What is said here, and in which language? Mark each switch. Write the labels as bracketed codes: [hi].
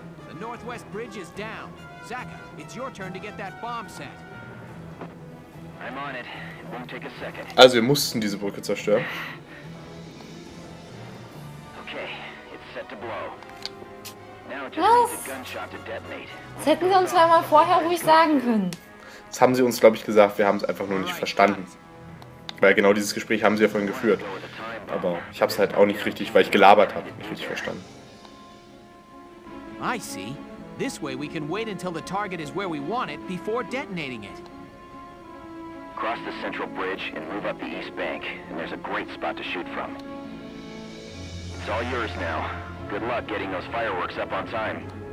[en] The Northwest Bridge is down. Zaka, it's your turn to get that bomb set. I'm on it. It won't take a second. [de] Also wir mussten diese Brücke zerstören. [en] Okay, it's set to blow. [de] Was? Das hätten sie uns einmal vorher ruhig sagen können. Das haben sie uns, glaube ich, gesagt. Wir haben es einfach nur nicht verstanden. Weil genau dieses Gespräch haben sie ja vorhin geführt. Aber ich habe es halt auch nicht richtig, weil ich gelabert habe, nicht richtig verstanden. [en] I see. This way we can wait until the target is where we want it before detonating it. Cross the central bridge and move up the east bank. And there's a great spot to shoot from. It's all yours now. Good luck getting those fireworks up on time.